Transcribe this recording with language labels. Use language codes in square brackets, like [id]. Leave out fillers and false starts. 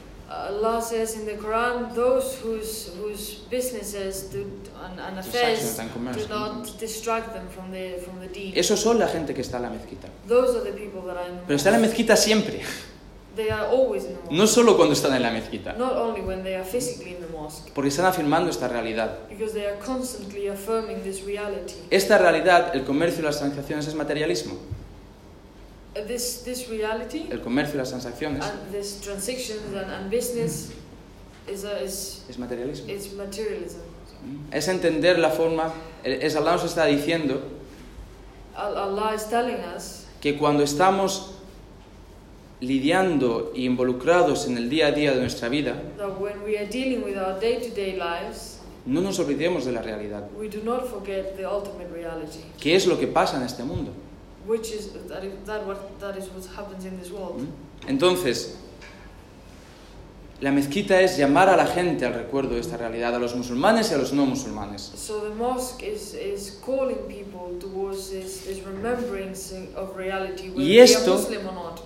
[en] Allah says in the Quran, those whose businesses and affairs do not distract them from the deen. [es] Esos son la gente que está en la mezquita. [en] Those are the people that are in the mosque. [es] Pero está en la mezquita siempre. [en] They are always in the mosque. [es] No solo cuando están en la mezquita. [en] Not only when they are physically in the mosque. [es] Porque están afirmando esta realidad. [en] Because they are constantly affirming this reality. [es] Esta realidad, el comercio y las transacciones, es materialismo. [en] This reality, [es] el comercio y las transacciones, [en] and this transactions and business is materialism. It's materialism. [es] Es entender la forma. Es Allah nos está diciendo. [en] Allah is telling us [es] que cuando estamos lidiando y involucrados en el día a día de nuestra vida, [en] that when we are dealing with our day-to-day lives, [es] no nos olvidemos de la realidad. [en] We do not forget the ultimate reality. [es] ¿Qué es lo que pasa en este mundo? [en] Which is that is what happens in this world. [es] Entonces, la mezquita es llamar a la gente al recuerdo de esta realidad, a los musulmanes y a los no musulmanes. [en] So the mosque is calling people towards this remembrance of reality, whether they are Muslim or not.